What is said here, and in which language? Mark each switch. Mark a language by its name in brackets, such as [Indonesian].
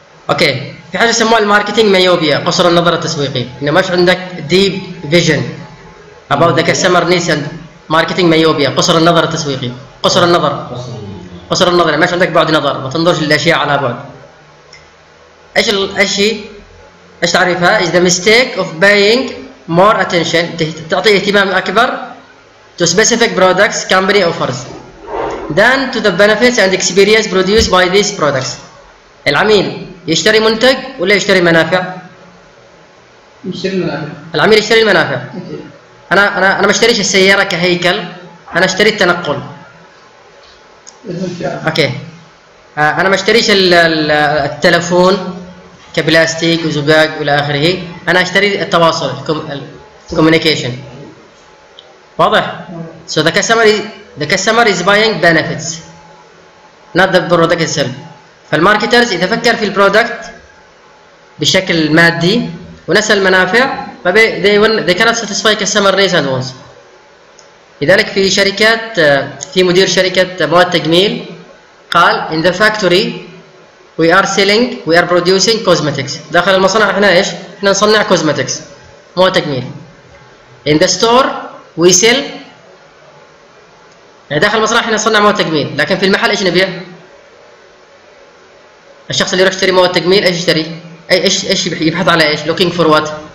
[Arabic] اوكي, في حاجه يسموها الماركتنج مايوبيا, قصر النظر التسويقي, انه مش عندك [English] Deep vision about the customer needs. [Arabic] ماركتنج مايوبيا, قصر النظر التسويقي, قصر النظر, قصر النظر, ما في عندك بعد نظر, ما تنظرش للاشياء على بعد. ايش الاشي ايش تعرفها؟ [English] is the mistake of paying more attention, [Arabic] تعطي اهتمام اكبر [English] to specific products company offers than to the benefits and experience produced by these products. [Arabic] العميل يشتري منتج ولا يشتري منافع؟ يشتري المنافع. العميل يشتري المنافع. انا انا انا ما اشتريش السياره كهيكل, انا اشتري التنقل. اوكي, انا ما اشتريش التلفون كبلاستيك وزجاج والى اخره, انا اشتري التواصل, الكوميونيكيشن. [English] واضح؟ So the customer, the customer is buying benefits not the product sell. [Arabic] فالماركترز اذا فكر في البرودكت بشكل مادي ونسى المنافع, [English] they cannot satisfy customer needs and wants. [Arabic] لذلك في شركات, في مدير شركة مواد تجميل قال [English] in the factory we are selling, we are producing cosmetics. [Arabic] داخل المصنع احنا ايش؟ احنا نصنع cosmetics, مواد تجميل. [English] In the store we sell, [Arabic] يعني داخل المصنع احنا نصنع مواد تجميل, لكن في المحل ايش نبيع؟ الشخص اللي يروح يشتري مواد تجميل ايش يشتري؟ ايش يبحث على ايش؟ [English] looking for what؟